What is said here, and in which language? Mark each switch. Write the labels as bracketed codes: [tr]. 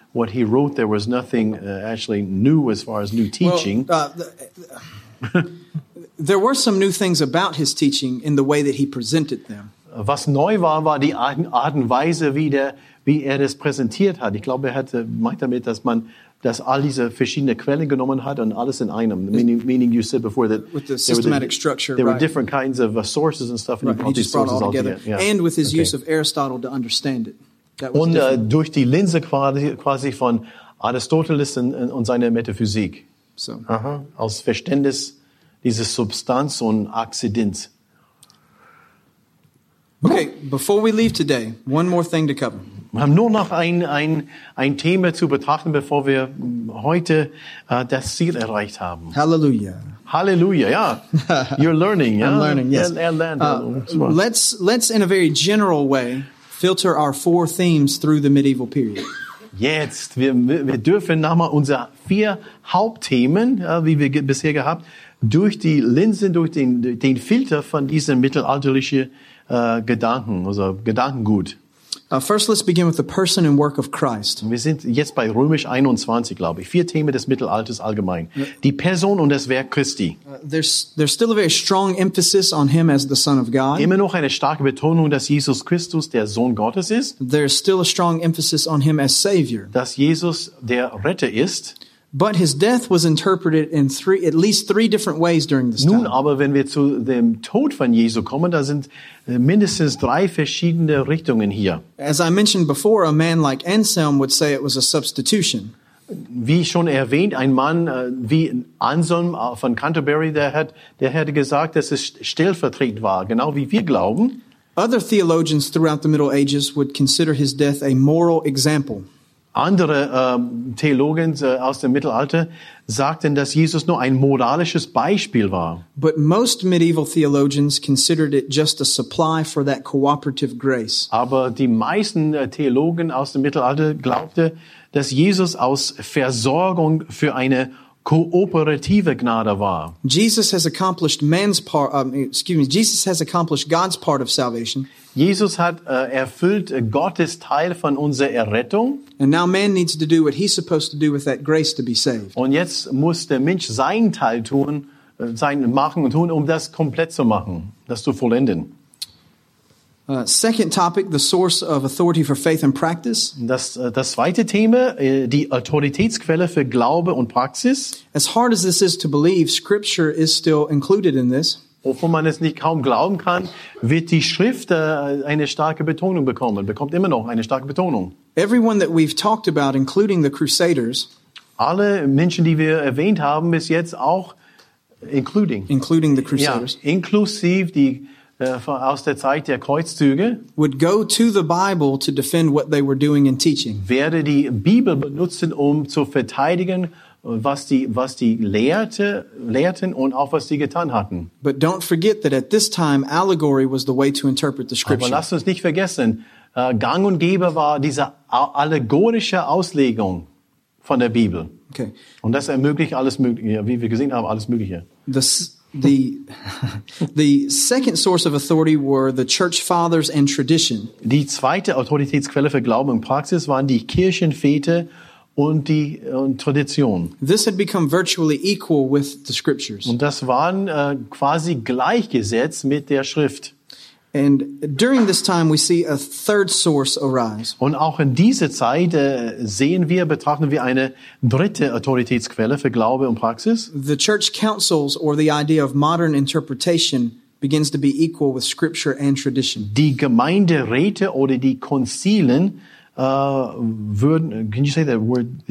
[en] wrote, there was nothing actually new as far as new teaching. Well, there were some new things about his teaching in the way that he presented them. [de] Was neu war die Art und Weise, wie er das präsentiert hat. Ich glaube, meint damit, dass man das all diese verschiedene Quellen genommen hat und alles in einem. [en] Meaning you said before that with the systematic structure, there were different kinds of sources and stuff, and right. he just brought it all together. And with his use of Aristotle to understand it. [de] Und durch die Linse quasi von Aristoteles und seiner Metaphysik. [en] So. Uh-huh. [de] Aus Verständnis dieses Substanz und Akzidenz. [en] Okay, before we leave today, one more thing to cover. [de] Wir haben nur noch ein Thema zu betrachten, bevor wir heute das Ziel erreicht haben. Halleluja, [en] ja. You're learning, ja. I'm learning, yes. Let's in a very general way filter our four themes through the medieval period. [de] Jetzt, wir dürfen nochmal unsere vier Hauptthemen, wie wir bisher gehabt, durch die Linsen, durch den Filter von diesem mittelalterlichen Gedanken, also Gedankengut. [en] First, let's begin with the person and work of Christ. [de] Wir sind jetzt bei Römisch 21, glaube ich. Vier Themen des Mittelalters allgemein. Die Person und das Werk Christi. [en] There's still a very strong emphasis on him as the Son of God. [de] Immer noch eine starke Betonung, dass Jesus Christus der Sohn Gottes ist. [en] There's still a strong emphasis on him as Savior. [de] Dass Jesus der Retter ist. [en] But his death was interpreted in at least three different ways during this time. [de] Nun aber, wenn wir zu dem Tod von Jesu kommen, da sind mindestens drei verschiedene Richtungen hier. [en] As I mentioned before, a man like Anselm would say it was a substitution. [de] Wie schon erwähnt, ein Mann wie Anselm von Canterbury, der hätte gesagt, dass es stellvertretend war, genau wie wir glauben. [en] Other theologians throughout the Middle Ages would consider his death a moral example. [de] Andere Theologen aus dem Mittelalter sagten, dass Jesus nur ein moralisches Beispiel war. [en] But most medieval theologians considered it just a supply for that cooperative grace. [de] Aber die meisten Theologen aus dem Mittelalter glaubten, dass Jesus aus Versorgung für eine kooperative Gnade war. [en] Jesus has accomplished God's part of salvation. [de] Jesus hat erfüllt Gottes Teil von unserer Errettung. [en] And now man needs to do what he's supposed to do with that grace to be saved. [de] Und jetzt muss der Mensch seinen Teil tun, sein machen und tun, um das komplett zu machen, das zu vollenden. [en] Second topic, the source of authority for faith and practice. [de] Das zweite Thema, die Autoritätsquelle für Glaube und Praxis. [en] As hard as this is to believe, Scripture is still included in this. [de] Obwohl man es nicht kaum glauben kann, wird die Schrift eine starke Betonung bekommen, bekommt immer noch eine starke Betonung. [en] Everyone that we've talked about, including the Crusaders. [de] Alle Menschen, die wir erwähnt haben, bis jetzt auch [en] including. Including the Crusaders. [de] Ja, inklusive die aus der Zeit der Kreuzzüge, [en] would go to the Bible to defend what they were doing and teaching. [de] Werde die Bibel benutzen, um zu verteidigen, was die lehrten und auch was sie getan hatten. [en] But don't forget that at this time allegory was the way to interpret the scripture. [de] Aber lasst uns nicht vergessen, Gang und Gäbe war diese allegorische Auslegung von der Bibel. [en] Okay. [de] Und das ermöglicht alles Mögliche, wie wir gesehen haben, alles Mögliche. [en] The second source of authority were the church fathers and tradition. [de] Die zweite Autoritätsquelle für Glauben und Praxis waren die Kirchenväter und die Tradition. [en] This had become virtually equal with the scriptures. [de] Und das waren quasi gleichgesetzt mit der Schrift. [en] And during this time we see a third source arise. [de] Und auch in dieser Zeit betrachten wir eine dritte Autoritätsquelle für Glaube und Praxis. [en] The church councils or the idea of modern interpretation begins to be equal with scripture and tradition. [de] Die Gemeinderäte oder die Konzilien würden, [en] can you say that word,